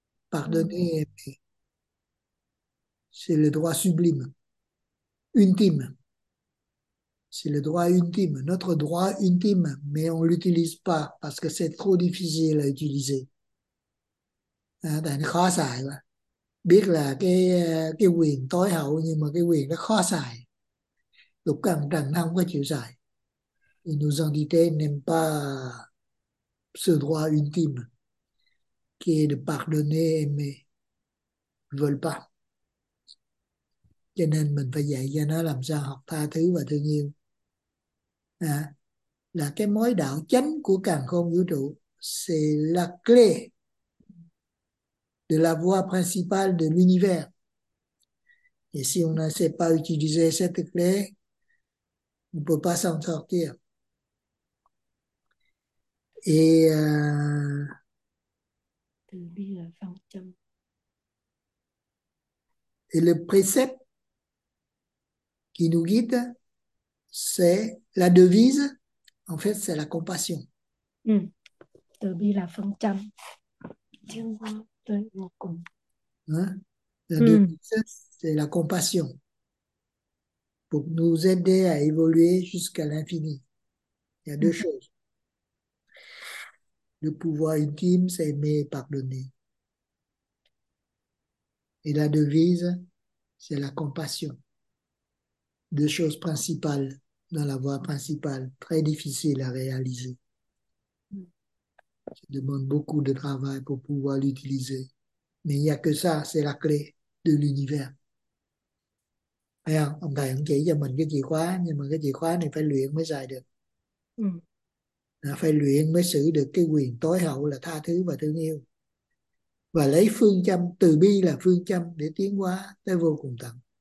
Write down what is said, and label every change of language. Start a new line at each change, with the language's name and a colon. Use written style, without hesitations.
French: Pardonner et aimer. C'est le droit sublime. Ultime. C'est le droit ultime, notre droit ultime, mais on ne l'utilise pas parce que c'est trop difficile à utiliser.
Vietnamese: Hein, tại nó khó xài quá. Biết là cái quyền tối hậu nhưng mà cái quyền nó khó xài. Lục căn trần nó không có chịu giải.
French: Nos entités n'aiment pas ce droit ultime qui est de pardonner, aimer. Ils ne veulent pas.
Vietnamese: Cho nên mình phải dạy cho nó làm sao học tha thứ và thương yêu. À, là cái mối đạo chánh của càn khôn vũ trụ.
French: C'est la clé de la voie principale de l'univers. Et si on ne sait pas utiliser cette clé, on ne peut pas s'en sortir. Et le précepte qui nous guide, c'est la devise, en fait, c'est la compassion.
Vietnamese: Từ bi là phương châm, chương tới vô cùng. Hein?
French: La devise, c'est la compassion pour nous aider à évoluer jusqu'à l'infini. Il y a deux choses. Le pouvoir ultime, c'est aimer et pardonner. Et la devise, c'est la compassion. Deux choses principales dans la voie principale, très difficile à réaliser. Ça demande beaucoup de travail pour pouvoir l'utiliser. Mais il n'y a que ça, c'est la clé de l'univers.
Vietnamese: Thấy không? Ông thầy ông chỉ cho mình cái chìa khóa, nhưng mà cái chìa khóa này phải luyện mới xài được. Phải luyện mới xử được cái quyền tối hậu là tha thứ và thương yêu. Và lấy phương châm từ bi là phương châm để tiến hóa tới vô cùng tận.